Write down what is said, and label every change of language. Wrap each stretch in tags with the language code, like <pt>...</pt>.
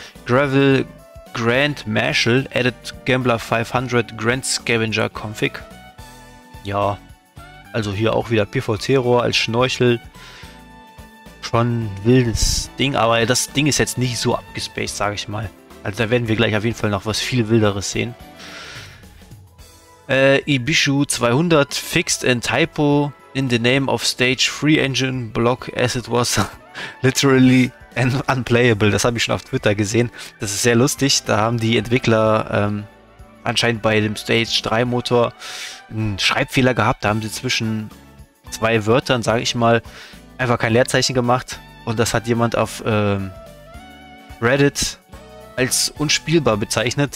<en>Gravel Grand Marshal added Gambler 500 Grand Scavenger Config. Ja.</en> <de>Also hier auch wieder PVC-Rohr als Schnorchel. Schon wildes Ding, aber das Ding ist jetzt nicht so abgespaced, sage ich mal. Also da werden wir gleich auf jeden Fall noch was viel Wilderes sehen.</de> <en>Ibishu 200 fixed and typo in the name of stage 3 engine block as it was literally and unplayable.</en> <de>Das habe ich schon auf Twitter gesehen. Das ist sehr lustig. Da haben die Entwickler anscheinend bei dem Stage 3 Motor einen Schreibfehler gehabt. Da haben sie zwischen zwei Wörtern, sage ich mal, einfach kein Leerzeichen gemacht. Und das hat jemand auf Reddit als unspielbar bezeichnet.</de>